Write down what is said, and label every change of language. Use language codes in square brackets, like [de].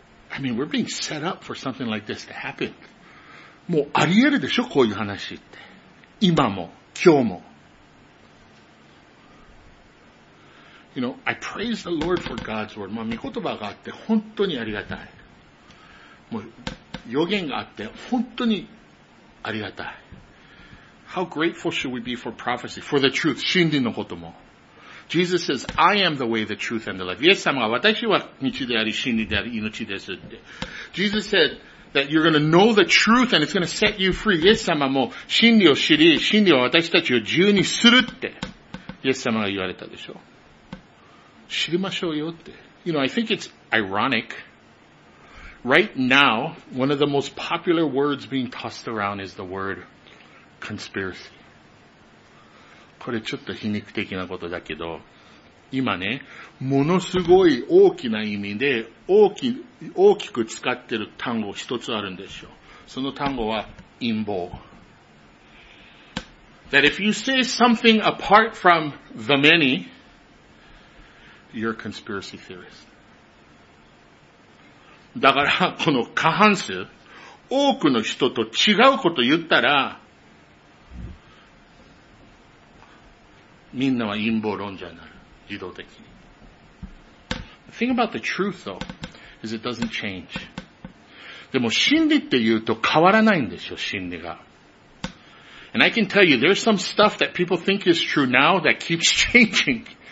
[en] I mean, we're being set up for something like this to happen. [ja] もうあり得るでしょ、こういう話って。今も、今日も。 [en] You know, I praise the Lord for God's word. [ja] まあ、御言葉があって本当にありがたい。もう、予言があって本当にありがたい。 [en] How grateful should we be for prophecy, for the truth, [ja] 真理のことも。 [en] Jesus says, I am the way, the truth, and the life. [ja] イエス様は私は道であり、真理であり、命です。 [en] Jesus said that you're going to know the truth and it's going to set you free. [ja] イエス様も真理を知り、真理は私たちを自由にするって、イエス様が言われたでしょ。知りましょうよって。 [en] You know, I think it's ironic. Right now, one of the most popular words being tossed around is the word conspiracy. [ja] これちょっと皮肉的なことだけど、今ね、ものすごい大きな意味で、大きく使ってる単語一つあるんですよ。その単語は陰謀。 [en] That if you say something apart from the many, you're a conspiracy theorist. [ja] だから、この過半数、多くの人と違うこと言ったら、みんなは陰謀論者になる。自動的に。 [en] The thing about the truth though, is it doesn't change. [ja] でも真理って言うと変わらないんですよ、真理が。 [en] And I can tell you, there's some stuff that people think is true now that keeps changing.